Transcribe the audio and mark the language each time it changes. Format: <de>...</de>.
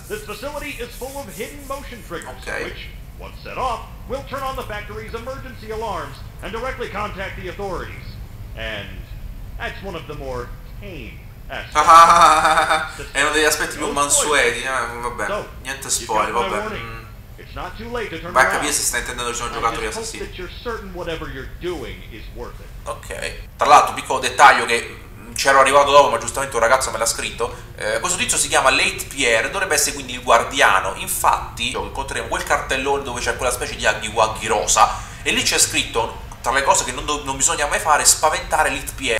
<en>This facility is full of hidden motion triggers, okay, which, once set off, we'll turn on the factory's emergency alarms and directly contact the authorities. And that's one of the more tame aspects.</en> <it>È uno degli aspetti più mansueti, vabbè.</it> <en>So,</en> <it>niente spoiler, vabbè.</it> <en>It's not too late to turn around.</en> <it>Vai a capire se sta intendendo che sono giocattoli assassini.</it> <en>That you're certain whatever you're doing is worth it.</en> <it>Ok. Tra l'altro, piccolo dettaglio che c'ero arrivato dopo, ma giustamente un ragazzo me l'ha scritto. Questo tizio si chiama Late Pierre, dovrebbe essere quindi il guardiano. Infatti, incontreremo quel cartellone dove c'è quella specie di Agi Wagi rosa. E lì c'è scritto, tra le cose che non bisogna mai fare, spaventare Late Pierre.</it>